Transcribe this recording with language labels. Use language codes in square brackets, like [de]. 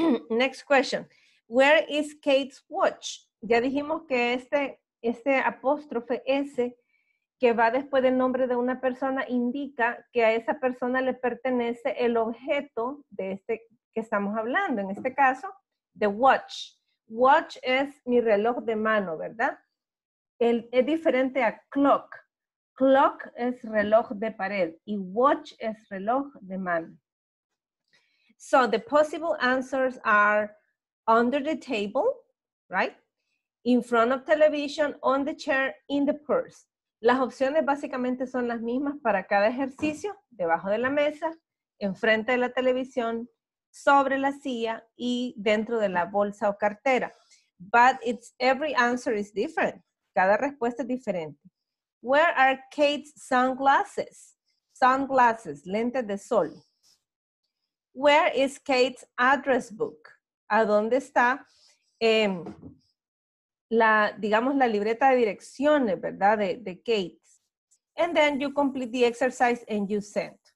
[en] Next question. Where is Kate's watch? [es] Ya dijimos que este apóstrofe S que va después del nombre de una persona indica que a esa persona le pertenece el objeto de este que estamos hablando, en este caso, the watch. Watch es mi reloj de mano, ¿verdad? Es diferente a clock. Clock es reloj de pared y watch es reloj de mano. [en] So the possible answers are under the table, right? In front of television, on the chair, in the purse. [es] Las opciones básicamente son las mismas para cada ejercicio, debajo de la mesa, enfrente de la televisión, sobre la silla y dentro de la bolsa o cartera. [en] But it's every answer is different. [es] Cada respuesta es diferente. [en] Where are Kate's sunglasses? Sunglasses, lentes de sol. Where is Kate's address book? [es] ¿A dónde está digamos, la libreta de direcciones, ¿verdad? De Kate. [en] And then you complete the exercise and you send.